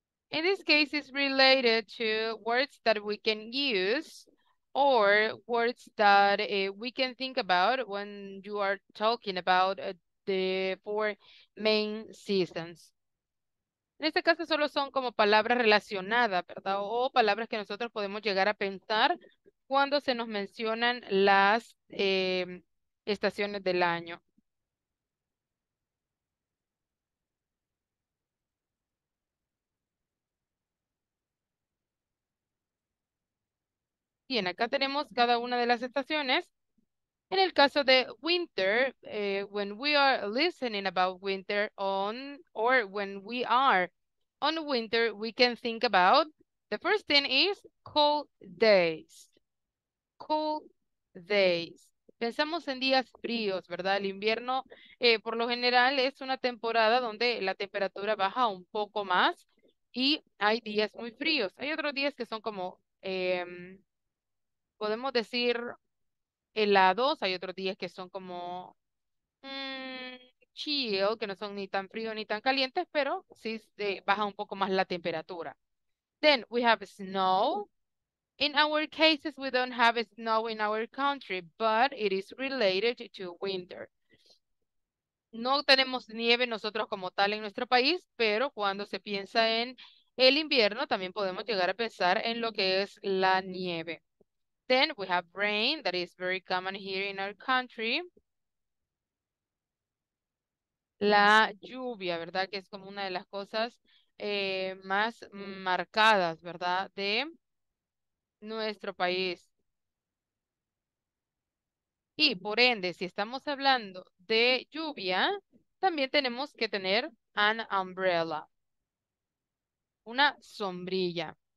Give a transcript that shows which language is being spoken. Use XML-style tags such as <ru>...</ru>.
<en>In this case, it's related to words that we can use or words that we can think about when you are talking about the four main seasons.</en> <es>En este caso, solo son como palabras relacionadas, ¿verdad? O palabras que nosotros podemos llegar a pensar cuando se nos mencionan las estaciones del año. Bien, acá tenemos cada una de las estaciones. En el caso de</es> <en>winter, when we are listening about winter on, or when we are on winter, we can think about, the first thing is cold days. Cold days.</en> <es>Pensamos en días fríos, ¿verdad? El invierno, por lo general, es una temporada donde la temperatura baja un poco más y hay días muy fríos. Hay otros días que son como podemos decir helados, hay otros días que son como chill, que no son ni tan frío ni tan calientes, pero sí baja un poco más la temperatura.</es> <en>Then we have snow. In our cases, we don't have snow in our country, but it is related to winter.</en> <es>No tenemos nieve nosotros como tal en nuestro país, pero cuando se piensa en el invierno, también podemos llegar a pensar en lo que es la nieve.</es> <en>Then we have rain, that is very common here in our country.</en> <es>La lluvia, ¿verdad? Que es como una de las cosas más marcadas, ¿verdad? De nuestro país. Y por ende, si estamos hablando de lluvia, también tenemos que tener</es> <en>an umbrella,</en> <es>una sombrilla.</es>